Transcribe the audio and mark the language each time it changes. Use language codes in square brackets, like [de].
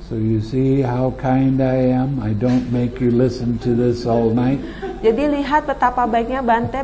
[en] So you see how kind I am. I don't make you listen to this all night. [id] Jadi lihat betapa baiknya Bante.